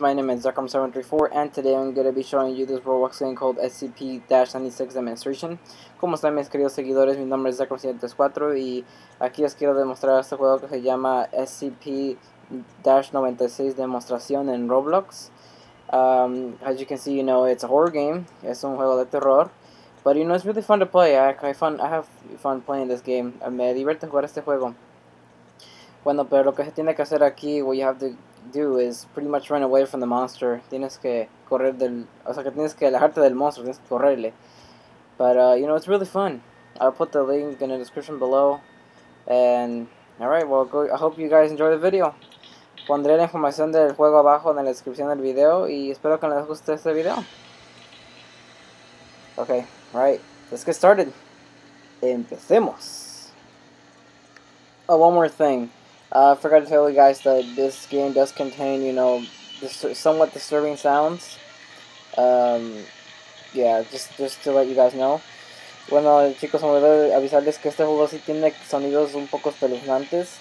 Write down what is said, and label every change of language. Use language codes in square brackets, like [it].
[en] My name is Zuckerm734, and today I'm going to be showing you this Roblox game called SCP-96 Administration. [es] ¿Cómo están, mis queridos seguidores? Mi nombre es Zuckerm734, y aquí os quiero demostrar este juego que se llama SCP-96 Demostración en Roblox. [en] As you can see, you know, it's a horror game. [es] Es un juego de terror. [en] But, you know, it's really fun to play. I have fun playing this game. [es] Me divierte jugar este juego. Bueno, pero lo que se tiene que hacer aquí, [en] what you have to do is pretty much run away from the monster. [es] Tienes que correr del, o sea, que tienes que alejarte del monstruo, tienes que correrle. [en] But, you know, it's really fun. I'll put the link in the description below. And, alright, well, I hope you guys enjoy the video. [es] Pondré la información del juego abajo en la descripción del video y espero que les guste este video. [en] Okay, alright, let's get started. [es] Empecemos. [en] Oh, one more thing. I forgot to tell you guys that this game does contain, you know, somewhat disturbing sounds. Yeah, just to let you guys know. [es] Bueno, chicos, me voy a avisarles que este juego sí tiene sonidos un poco espeluznantes.